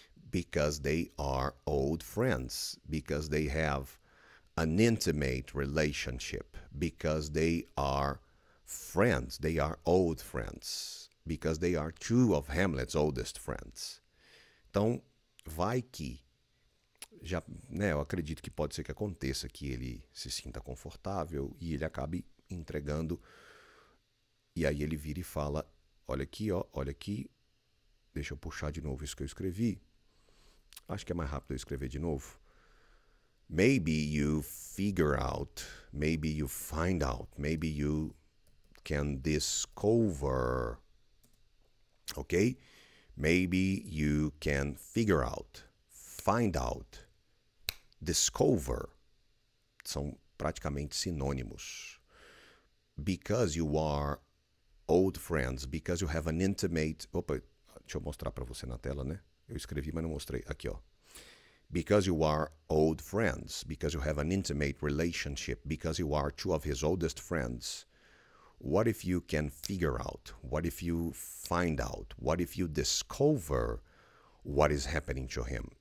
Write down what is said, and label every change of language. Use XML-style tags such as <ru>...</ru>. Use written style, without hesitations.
<en>Because they are old friends, because they have an intimate relationship, because they are friends, they are old friends, because they are two of Hamlet's oldest friends.</en> <pt>Então, vai que já, né, eu acredito que pode ser que aconteça que ele se sinta confortável e ele acabe entregando. E aí ele vira e fala: olha aqui, ó, olha aqui. Deixa eu puxar de novo isso que eu escrevi. Acho que é mais rápido eu escrever de novo.</pt> <en>Maybe you figure out, maybe you find out, maybe you can discover. Ok? Maybe you can figure out, find out, discover.</en> <pt>São praticamente sinônimos.</pt> <en>Because you are old friends, because you have an intimate.</en> <pt>Opa, deixa eu mostrar para você na tela, né? Eu escrevi, mas não mostrei. Aqui, ó.</pt> <en>Because you are old friends, because you have an intimate relationship, because you are two of his oldest friends. What if you can figure out? What if you find out? What if you discover what is happening to him?</en>